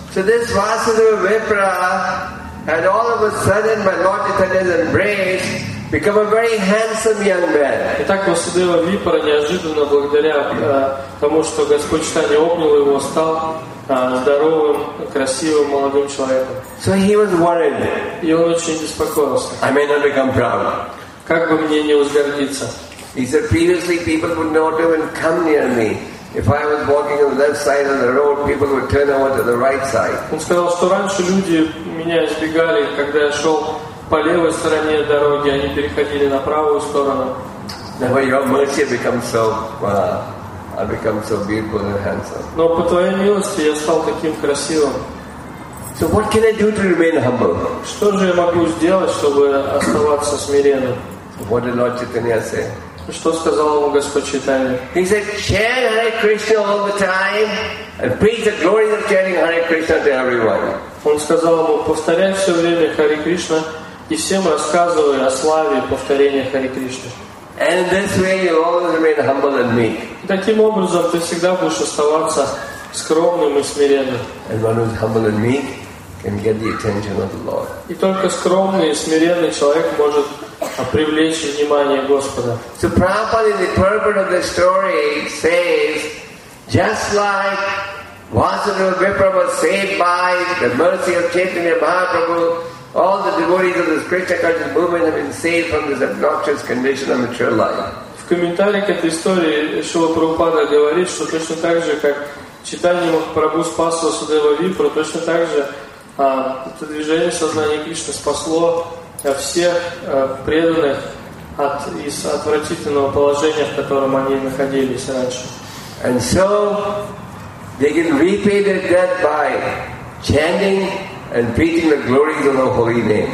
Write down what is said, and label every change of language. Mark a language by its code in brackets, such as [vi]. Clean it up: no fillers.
[en] So this Vasudeva Vipra had all of a sudden by Lord Chaitanya's embrace become a very handsome young man. [ru] Итак, Васудева Випра неожиданно благодаря тому, что Господь Читание обнял его, стал здоровым, красивым, молодым человеком. [en] So he was worried. [ru] И он очень беспокоился. [en] I may not become proud. [ru] Как бы мне не возгордиться? [en] He said, previously people would not even come near me. If I was walking on the left side of the road, people would turn over to the right side. [ru] Он сказал, что раньше люди меня избегали, когда я шел по левой стороне дороги, они переходили на правую сторону. [en] Now your mercy becomes so... I become so beautiful and handsome. [ru] Но по твоей милости я стал таким красивым. [en] So what can I do to remain humble? [ru] Что же я могу сделать, чтобы оставаться смиренным? [en] What did Lord Chaitanya say? [ru] Что сказал ему Господь Чайтанья? [en] He said, chant Hare Krishna all the time and preach the glories of chanting Hare Krishna to everyone. [ru] Он сказал ему, повторяй все время Хари Кришна и всем рассказывай о славе повторения Хари Кришны. [en] And this way you always remain humble and meek. [ru] Таким образом ты всегда будешь оставаться скромным и смиренным. [en] And one who is humble and meek can get the attention of the Lord. [ru] И только скромный и смиренный человек может привлечь внимание Господа. [en] So Prabhupada, the purport of the story says, just like Vasudeva Vipra was saved by the mercy of Chaitanya Mahaprabhu, all the devotees of this Krishna consciousness movement have been saved from this obnoxious condition of material life. [ru] В комментарии к этой истории Шрила Прабхупада говорит, что точно так же, как Чайтанья Махапрабху спас Васудеву Випру, точно так же это движение сознания Кришны спасло всех преданных из отвратительного положения, в котором они находились раньше. [en] And so they can repay their debt by chanting and preaching the glories of the holy name.